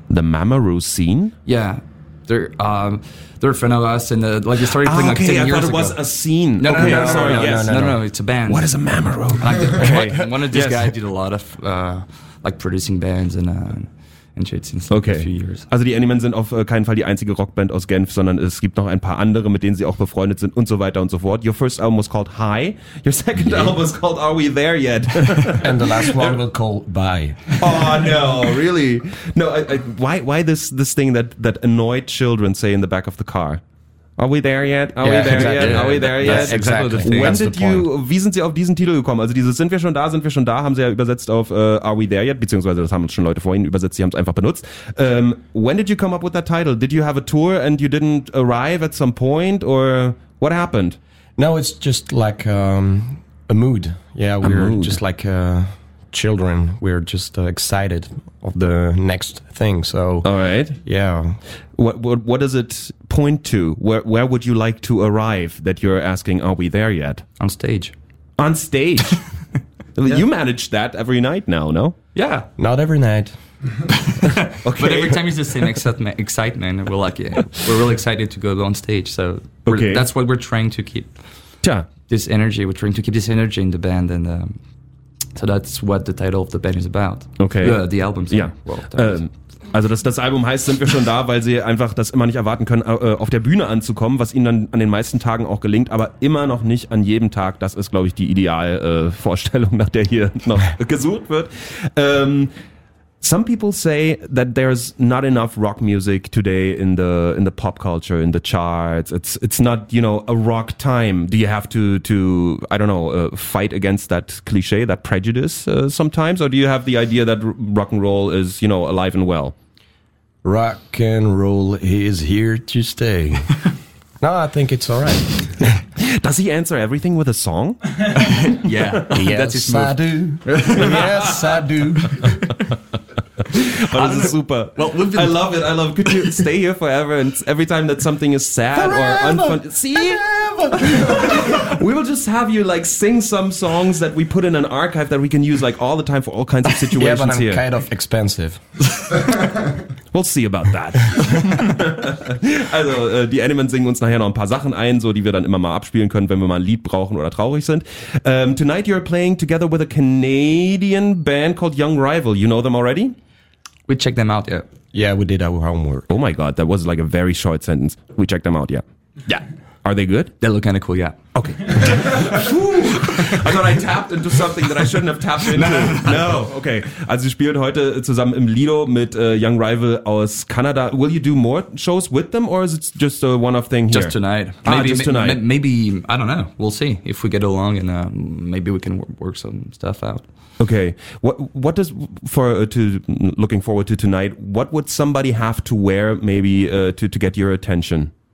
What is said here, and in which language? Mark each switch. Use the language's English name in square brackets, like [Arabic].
[English] The Mamoru scene? Yeah. They're a friend of us, and they started playing 10 years ago. Okay, I thought it was a scene. No, it's a band. What is a Mamoru? One of these guys did a lot of producing bands and shit since a few years. [German] Also die Animen sind auf keinen Fall die einzige Rockband aus Genf, sondern es gibt noch ein paar andere, mit denen sie auch befreundet sind und so weiter und so fort. [English] Your first album was called Hi. Your second album was called Are We There Yet? And the last one was called Bye. Oh no, really? No, why this thing that annoyed children say in the back of the car? Are we there yet? [German] Wie sind Sie auf diesen Titel gekommen? Also dieses sind wir schon da, haben Sie ja übersetzt auf Are We There Yet? Beziehungsweise das haben uns schon Leute vorhin übersetzt, sie haben es einfach benutzt. [English] When did you come up with that title? Did you have a tour and you didn't arrive at some point? Or what happened? No, it's just like a mood. Yeah, we're mood. Just like children. We're just excited of the next thing. So, all right. Yeah. What does it point to? Where would you like to arrive that you're asking, are we there yet? On stage. On stage? You manage that every night now, no? Yeah. Not every night. Okay. But every time it's the same excitement. We're lucky. We're really excited to go on stage. So that's what we're trying to keep. Yeah. This energy. We're trying to keep this energy in the band. And so that's what the title of the band is about. Okay. The album's. Yeah. [German] Well, also das Album heißt, sind wir schon da, weil sie einfach das immer nicht erwarten können, auf der Bühne anzukommen, was ihnen dann an den meisten Tagen auch gelingt, aber immer noch nicht an jedem Tag. Das ist, glaube ich, die Idealvorstellung, nach der hier noch gesucht wird. [English] Some people say that there's not enough rock music today in the pop culture, in the charts. It's not, you know, a rock time. Do you have to I don't know, fight against that cliche, that prejudice sometimes? Or do you have the idea that rock and roll is, you know, alive and well? Rock and roll is here to stay. No, I think it's all right. Does he answer everything with a song? Yeah. Yes, I do. Yes, I do. But this is super. I love it. I love it. Could you stay here forever? And every time that something is sad forever, or unfun. See? We will just have you sing some songs that we put in an archive that we can use all the time for all kinds of situations here. Yeah, but I'm kind of expensive. We'll see about that. [German] Also, die Animen singen uns nachher noch ein paar Sachen ein, so die wir dann immer mal abspielen können, wenn wir mal ein Lied brauchen oder traurig sind. [English] Tonight you're playing together with a Canadian band called Young Rival. You know them already? We checked them out, yeah. Yeah, we did our homework. Oh my god, that was a very short sentence. We checked them out, yeah. Yeah. Are they good? They look kind of cool, yeah. Okay. I thought I tapped into something that I shouldn't have tapped into. No. Okay. [German] Also, sie spielen heute zusammen im Lido mit Young Rival aus Kanada. [English] Will you do more shows with them or is it just a one-off thing here? Just tonight. Maybe, I don't know. We'll see if we get along and maybe we can work some stuff out. Okay. What does, for to looking forward to tonight, what would somebody have to wear maybe to get your attention?